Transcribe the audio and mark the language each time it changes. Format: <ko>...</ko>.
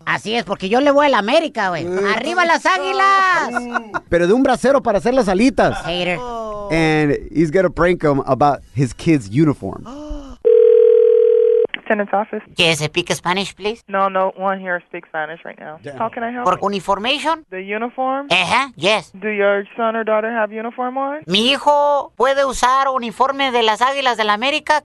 <es>Así es, porque yo le voy a la América, güey. ¡Arriba las águilas! Pero de un brasero para hacer las alitas.</es> <en>Hater. Oh. And he's going to prank him about his kid's uniform. Office. Yes, I speak Spanish, please. No, no one here speaks Spanish right now. Damn. How can I help? For uniformation? The uniform? Uh-huh, yes. Do your son or daughter have uniform on?</en> <es>Mi hijo puede usar uniforme de las Águilas del América.</es>